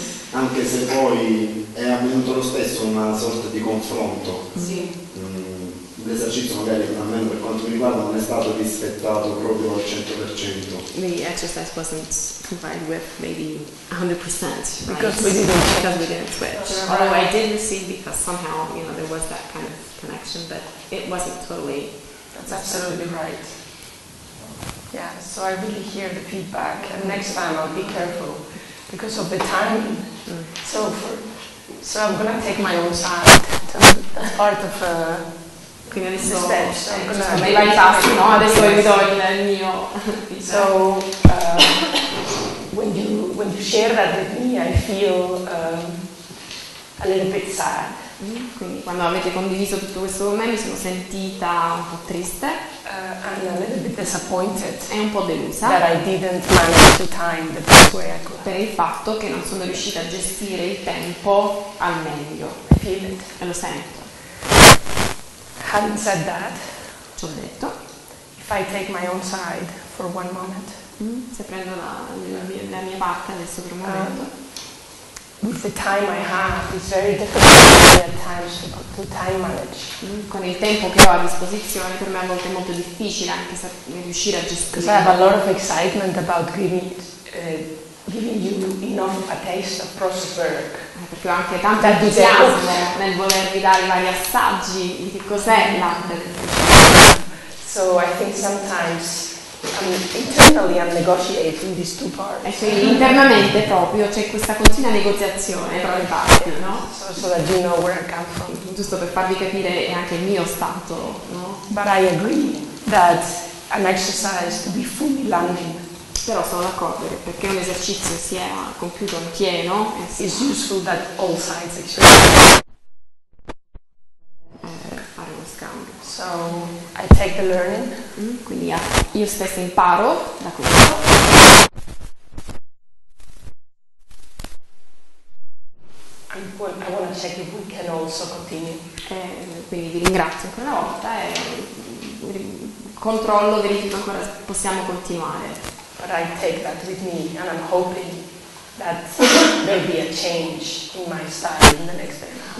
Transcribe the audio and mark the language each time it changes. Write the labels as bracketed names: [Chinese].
[Italian] Anche se poi è avvenuto lo stesso una sorta di confronto. L'esercizio magari a me per quanto mi riguarda non è stato rispettato proprio al 100%. [English] The exercise wasn't complied with maybe 100% because we didn't switch. Although I did receive because somehow, you know, there was that kind of connection, but it wasn't totally. That's absolutely right. Yeah, so I really hear the feedback, and next time I'll be careful because of the timing. So I'm gonna take my own side. That's part of when you share that with me, I feel a little bit sad. [Italian] Quindi quando avete condiviso tutto questo con me, mi sono sentita un po' triste. [English] And a little bit disappointed. [Italian] E un po' delusa. [English] That I didn't manage the time the best way I could. [Italian] Per il fatto che non sono riuscita a gestire il tempo al meglio. [English] I feel it. [Italian] E lo sento. [English] Having said that, [Italian] ci ho detto, [English] if I take my own side for one moment, [Italian] se prendo la mia parte adesso per un momento, [English] with the time I have, it's very difficult at times to time manage. [Italian] Con il tempo che ho a disposizione, per me a volte è molto difficile anche riuscire a gestire. [English] Because I have a lot of excitement about giving you enough a taste of process work. [Italian] Perché ho anche tanto entusiasmo nel volervi dare vari assaggi di che cos'è l'arte. [English] So I think sometimes internally I'm negotiating these two parts. [Italian] E quindi internamente proprio c'è questa continua negoziazione tra le parti, no? [English] So that you know where I come from. [Italian] Giusto per farvi capire è anche il mio stato, no? [English] But I agree that an exercise to be fully landing. [Italian] Però sono d'accordo che perché un esercizio si è compiuto in pieno [English] it's useful that all sides [Italian] fare uno scambio. [English] So I take the learning. [Italian] Quindi io stessa imparo da questo. [English] I want to check if we can also continue. [Italian] Quindi vi ringrazio ancora una volta e controllo, verifico ancora se possiamo continuare. [English] But I take that with me and I'm hoping that there will be a change in my style in the next day.